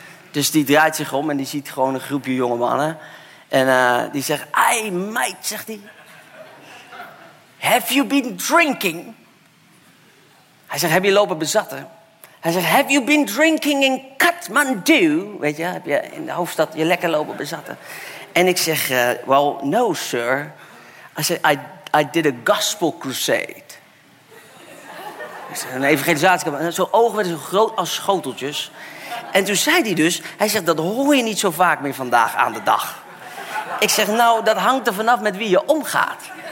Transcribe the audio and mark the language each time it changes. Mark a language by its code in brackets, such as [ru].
[nl] Dus die draait zich om en die ziet gewoon een groepje jonge mannen. En die zegt, [en] hey mate, [nl] zegt hij. [en] Have you been drinking? [nl] Hij zegt, heb je lopen bezatten? Hij zegt, [en] have you been drinking in Kathmandu? [nl] Weet je, heb je in de hoofdstad je lekker lopen bezatten? En ik zeg, [en] well, no, sir. I said, I did a gospel crusade. [nl] Ik zeg, een evangelisatie. Zo'n ogen werden zo groot als schoteltjes. En toen zei hij dus, hij zegt, dat hoor je niet zo vaak meer vandaag aan de dag. Ik zeg, nou, dat hangt er vanaf met wie je omgaat.